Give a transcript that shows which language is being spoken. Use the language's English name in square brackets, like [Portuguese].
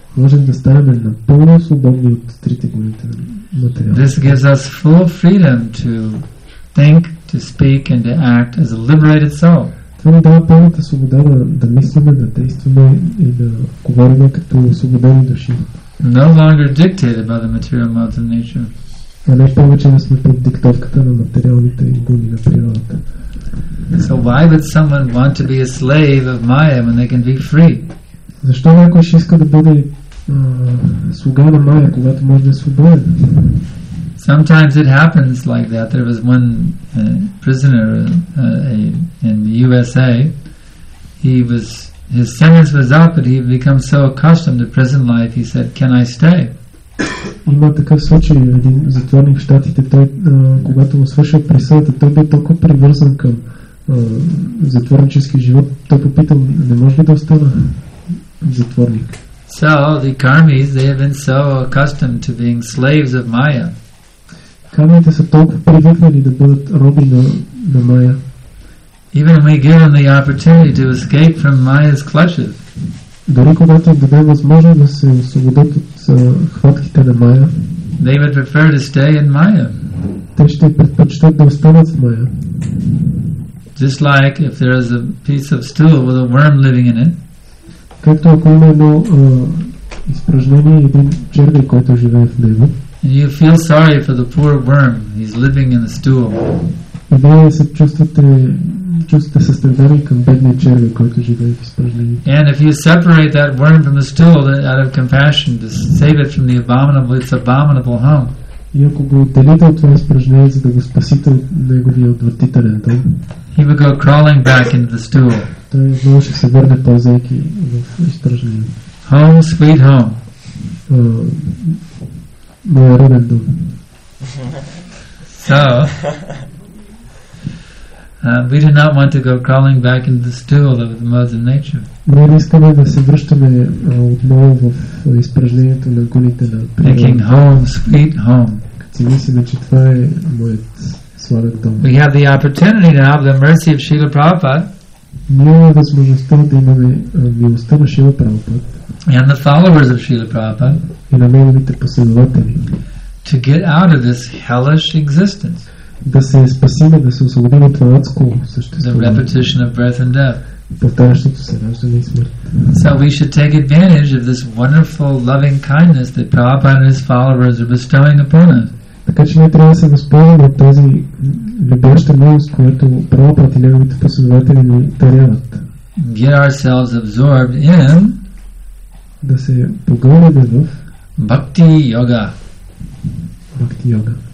[English] This gives us full freedom to think, to speak, and to act as a liberated soul. [Bulgarian] Това ни дава пълната свобода да мислиме, да действаме и да говорим като освободени души. [English] No longer dictated by the material modes of nature. [Bulgarian] А не повече не сме под диктовката на материалните и думи на природата. [English] So why would someone want to be a slave of Maya when they can be free? [Bulgarian] Защо някой ще иска да бъде слуга на Maya, когато може да е свободен? [English] Sometimes it happens like that. There was one prisoner in the USA. He was His sentence was up, but he had become so accustomed to prison life, he said, "Can I stay?" [Bulgarian] Има такъв случай, един затворник в Щатите, той, когато му свършил присъдата, той бе толкова привързан към затворнически живот, той попитал, не може ли да остана затворник? [English] So, the karmis, they have been so accustomed to being slaves of Maya. [Bulgarian] Кармите са толкова привикнали да бъдат роби на Maya. [English] Even when we give them the opportunity to escape from Maya's clutches. [Bulgarian] Дори когато даде възможност да се освободят от хватките на Maya, [English] they would prefer to stay in Maya. [Bulgarian] Те ще предпочитат да останат в Maya. [English] Just like if there is a piece of stool with a worm living in it. [Bulgarian] Както ако има едно изпражнение, един червей, който живее в него. [English] And you feel sorry for the poor worm. He's living in a stool. [Bulgarian] И вие се чувствате състрадание към бедния червей, който живее в изпражнението. [English] And if you separate that worm from the stool out of compassion to save it from the abominable, its abominable home. [Bulgarian] И ако го отделите от това изпражнение, за да го спасите от неговия отвратителен дом. [English] He would go crawling back into the stool. [Bulgarian] Той може да се върне ползайки в изпражнението. [English] Home, sweet home. [Bulgarian] Моя роден дом. [English] So, we do not want to go crawling back into the stool of the mother nature. [Bulgarian] Ние не искаме да се връщаме отново в изпражнението на гоните на природа. [English] Making home, sweet home. [Bulgarian] Като мислим, че това е моят сладък дом. [English] We have the opportunity to have the mercy of Srila Prabhupada. [Bulgarian] Ние имаме възможността да имаме милостта на Шрила Прабхупада. [English] And the followers of Srila Prabhupada. [Bulgarian] И на неговите последователи. [English] To get out of this hellish existence. [Bulgarian] Да се спасим, да се освободим от това адско съществуване. [English] The repetition of birth and death. [Bulgarian] Повтарящото се раждане и смърт. [English] So we should take advantage of this wonderful loving kindness that Prabhupada and his followers are bestowing upon us. [Bulgarian] Така че ние трябва да се възползваме от тази любяща милост, която Прабхупада и неговите последователи ни даряват. [English] Get ourselves absorbed in [Bulgarian] да се погълнем в [English] Bhakti Yoga. [Bulgarian] Bhakti Yoga.